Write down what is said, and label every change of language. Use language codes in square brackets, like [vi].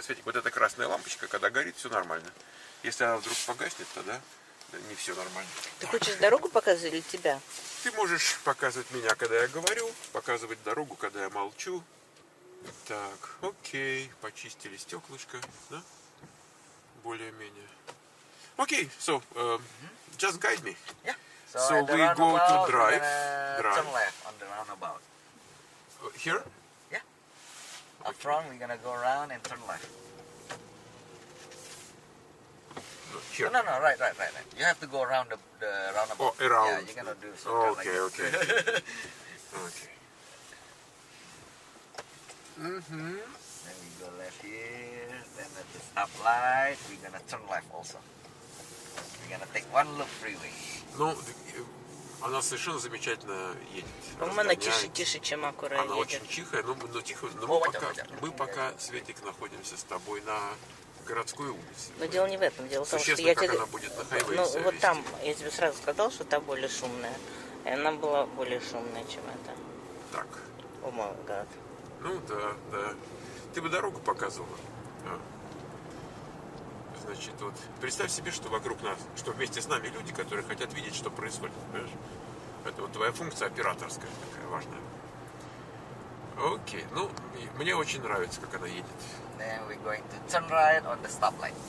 [ru] Светик, вот эта красная лампочка, когда горит, все нормально. Если она вдруг погаснет, тогда не все нормально. Ты хочешь дорогу показывать или тебя? Ты можешь показывать меня, когда я говорю, показывать дорогу, когда я молчу. Так, окей, почистили стеклышко, да? Более-менее. [en] Окей, so, just guide me. Yeah. So we go to drive. Turn left on the roundabout. Here? Yeah. Up front, we're gonna go around and turn left. Here. No, no, no, right. You have to go around the roundabout. Oh, around. Yeah, you're gonna do something like that. Okay. Okay. Then we go left here. Then at this up light, we're gonna turn left also. We're gonna take one loop freeway. [ru] Ну, она совершенно замечательно едет. По-моему, она тише, чем аккуратно едет. Она очень тихая, но тихо. Но мы пока, Светик, находимся с тобой на городской улице. Но дело не в этом. Дело в том, что она будет на хайвее. Ну, вот там, я тебе сразу сказал, что та более шумная. И она была более шумная, чем эта. Так. [en] О, мой гад. [ru] Ну, да. Ты бы дорогу показывала. Значит, вот представь себе, что вокруг нас, что вместе с нами люди, которые хотят видеть, что происходит. Понимаешь? Это вот твоя функция операторская такая важная. Окей. Ну, мне очень нравится, как она едет. [en] Then we're going to turn right on the stop light.